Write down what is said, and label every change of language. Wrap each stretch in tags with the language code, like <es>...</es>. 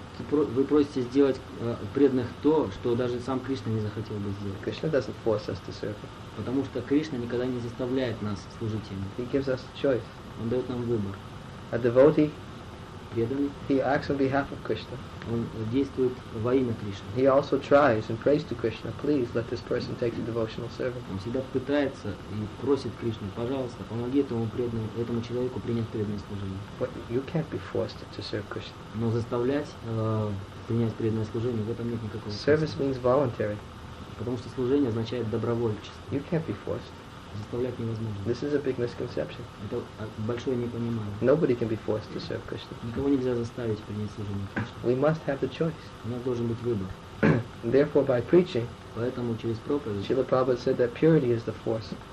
<ru>Вы просите сделать преданных то, что даже сам Кришна не захотел бы сделать.</ru> <en>Krishna doesn't force us to serve.</en> <ru>Потому что Кришна никогда не заставляет нас служить ему.</ru> <en>He gives us choice.</en> <ru>Он дает нам выбор.</ru> <en>A devotee,</en> <ru>преданный,</ru> <en>he acts on behalf of Krishna.</en> <ru>Он действует во имя Кришны.</ru> <en>He also tries and prays to Krishna, please let this person take the devotional service.</en> <ru>Он всегда пытается и просит Кришну, пожалуйста, помоги этому человеку принять преданное служение.</ru> <en>But you can't be forced to serve Krishna.</en> <ru>Но заставлять принять преданное служение, в этом нет никакого смысла.</ru> <en>Service means voluntary.</en> <ru>Потому что служение означает добровольчество.</ru> <en>You can't be forced.</en> <ru>Заставлять невозможно.</ru> <en>This is a big misconception.</en> <ru>Это большое непонимание.</ru> <en>Nobody can be forced to serve Krishna.</en> <ru>Никого нельзя заставить принять служение Кришне.</ru> <en>We must have the choice.</en> <ru>У нас должен быть выбор.</ru> <en>Therefore, by preaching,</en> <ru>поэтому через проповедь,</ru> <en>Srila Prabhupada said that purity is the force.</en>